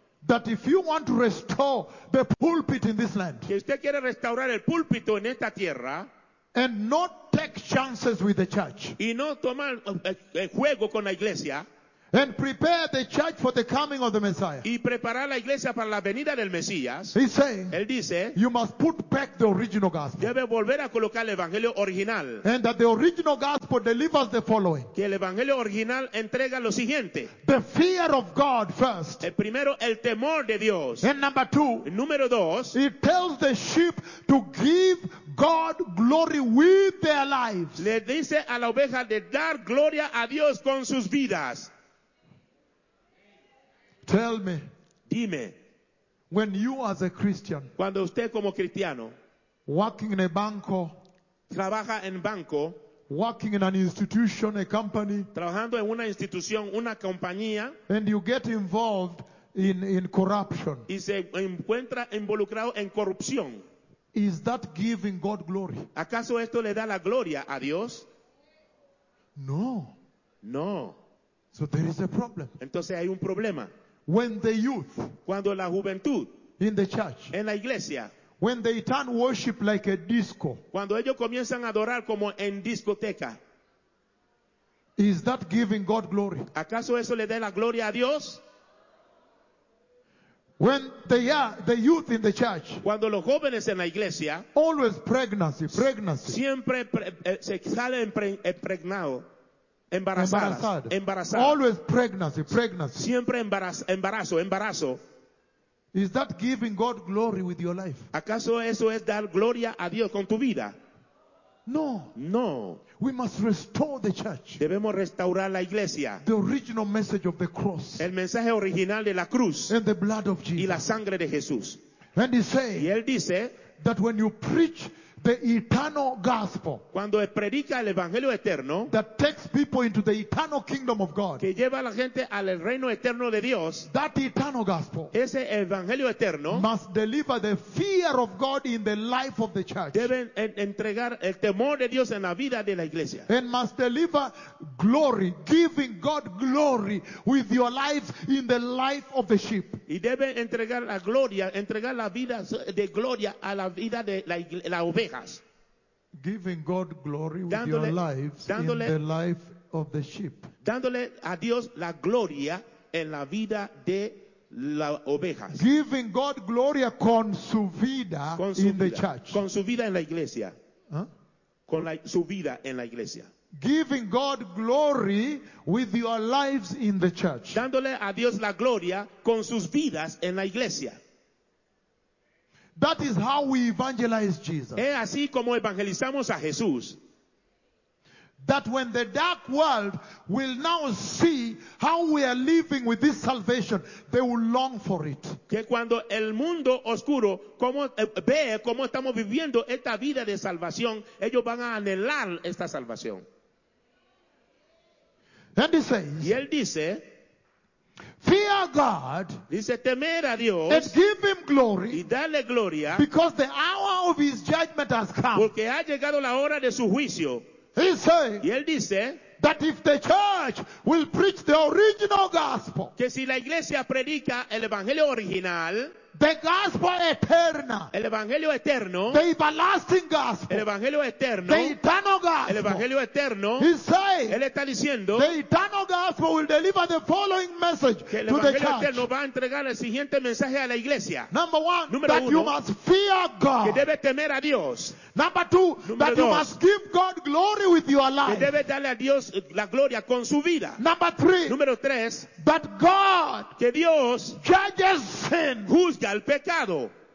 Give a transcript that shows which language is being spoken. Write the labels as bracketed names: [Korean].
[English] that if you want to restore the pulpit in this land, [Spanish] que usted quiere restaurar el púlpito en esta tierra, [English] and not take chances with the church, [Spanish] y no tomar juego con la iglesia, [English] and prepare the church for the coming of the Messiah. [Spanish] Y preparar la iglesia para la venida del Mesías. [English] He's saying, [Spanish] él dice, [English] you must put back the original gospel. [Spanish] Debe volver a colocar el evangelio original. [English] And that the original gospel delivers the following. [Spanish] Que el evangelio original entrega lo siguiente. [English] The fear of God first. [Spanish] El primero, el temor de Dios. [English] And number two. [Spanish] Número dos. [English] It tells the sheep to give God glory with their lives. [Spanish] Le dice a la oveja de dar gloria a Dios con sus vidas. [English] Tell me, [Spanish] dime, [English] when you as a Christian, [Spanish] cuando usted como cristiano, [English] working in a banco, [Spanish] trabaja en banco, [English] working in an institution, a company, [Spanish] trabajando en una institución, una compañía, [English] and you get involved in corruption, [Spanish] y se encuentra involucrado en corrupción, [English] is that giving God glory? [Spanish] ¿Acaso esto le da la gloria a Dios? [English] No. [Spanish] No. [English] So there is a problem. [Spanish] Entonces hay un problema. [English] When the youth, [Spanish] cuando la juventud, [English] in the church, [Spanish] en la iglesia, [English] when they turn worship like a disco, [Spanish] cuando ellos comienzan a adorar como en discoteca, [English] is that giving God glory? [Spanish] ¿Acaso eso le da la gloria a Dios? [English] When they are the youth in the church, [Spanish] cuando los jóvenes en la iglesia, [English] always pregnancy, [Spanish] siempre se sale impregnado. Embarazada. [English] Always pregnancy. [Spanish] Siempre embarazo. [English] Is that giving God glory with your life? [Spanish] ¿Acaso eso es dar gloria a Dios con tu vida? [English] No. [Spanish] No. [English] We must restore the church. [Spanish] Debemos restaurar la iglesia. [English] The original message of the cross. [Spanish] El mensaje original de la cruz. [English] And the blood of Jesus. [Spanish] Y la sangre de Jesús. [English] And he says, [Spanish] y él dice, [English] that when you preach the eternal gospel, [Spanish] cuando predica el evangelio eterno, [English] that takes people into the eternal kingdom of God, [Spanish] que lleva a la gente al reino eterno de Dios, [English] that eternal gospel, [Spanish] ese evangelio eterno, [English] must deliver the fear of God in the life of the church, [Spanish] deben entregar el temor de Dios en la vida de la iglesia, [English] and must deliver glory, giving God glory with your lives in the life of the sheep, [Spanish] y debe entregar la gloria, entregar la vida de gloria a la vida de la iglesia, [English] giving God glory with dándole, your lives [Spanish] dándole, [English] in the life of the sheep. [Spanish] Dándole a Dios la gloria en la vida de las ovejas. [English] Giving God glory [Spanish] con su vida, con su [English] in [Spanish] vida, [English] the church. [Spanish] Con su vida en la iglesia. Huh? Con la, su vida en la iglesia. [English] Giving God glory with your lives in the church. [Spanish] Dándole a Dios la gloria con sus vidas en la iglesia. [English] That is how we evangelize Jesus. [Spanish] Es así como evangelizamos a Jesús. [English] That when the dark world will now see how we are living with this salvation, they will long for it. [Spanish] Que cuando el mundo oscuro como, ve cómo estamos viviendo esta vida de salvación, ellos van a anhelar esta salvación. [English] And he says, [Spanish] y él dice, [English] fear God, [Spanish] dice, temer a Dios, [English] and give him glory, [Spanish] y dale gloria, [English] because the hour of his judgment has come. [Spanish] Porque ha llegado la hora de su juicio. [English] He said, [Spanish] y él dice, [English] that if the church will preach the original gospel, [Spanish] que si la iglesia predica el evangelio original, [English] the gospel eterna, [Spanish] el evangelio eterno, [English] the everlasting gospel, [Spanish] el evangelio eterno, [English] the eternal gospel, [Spanish] el evangelio eterno, [English] he said, [Spanish] él está diciendo, [English] the eternal gospel will deliver the following message [Spanish] que el evangelio [English] to the church. [Spanish] Eterno va a entregar el siguiente mensaje a la iglesia. [English] Number one, [Spanish] número [English] that [Spanish] uno, [English] you must fear God. [Spanish] Que debe temer a Dios. [English] Number two, [Spanish] número [English] that [Spanish] dos, [English] you must give God glory with your life. [Spanish] Que debe darle a Dios la gloria con su vida. [English] Number three, [Spanish] número tres, [English] that God, [Spanish] que Dios, [English] judges sin, [Spanish] juzga el pecado.